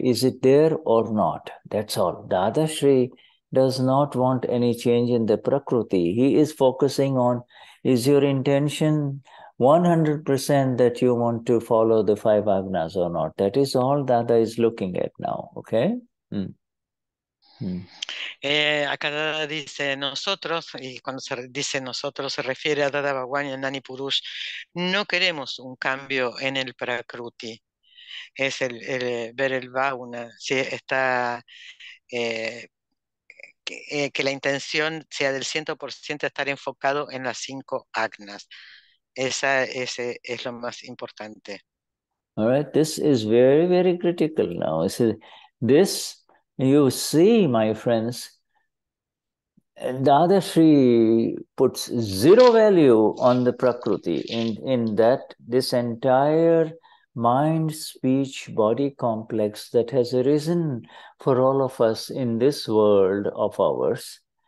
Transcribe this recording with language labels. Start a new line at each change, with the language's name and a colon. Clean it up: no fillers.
English: Is it there or not? That's all. Dada Shri does not want any change in the prakruti. He is focusing on, is your intention 100% that you want to follow the five agnas or not. That is all Dada is looking at now, okay? Mm. Mm.
Spanish: Acá Dada dice nosotros, y cuando se dice nosotros se refiere a Dada Bhagwan y a Gnani Purush, no queremos un cambio en el prakruti. Es el ver el Bhavana, si está que la intención sea del 100% estar enfocado en las cinco agnas. Ese es lo más importante.
English: All right, this is very, very critical now. This, you see, my friends, Dadashri puts zero value on the prakruti in that this entire mind, speech, body complex that has arisen for all of us in this world of ours.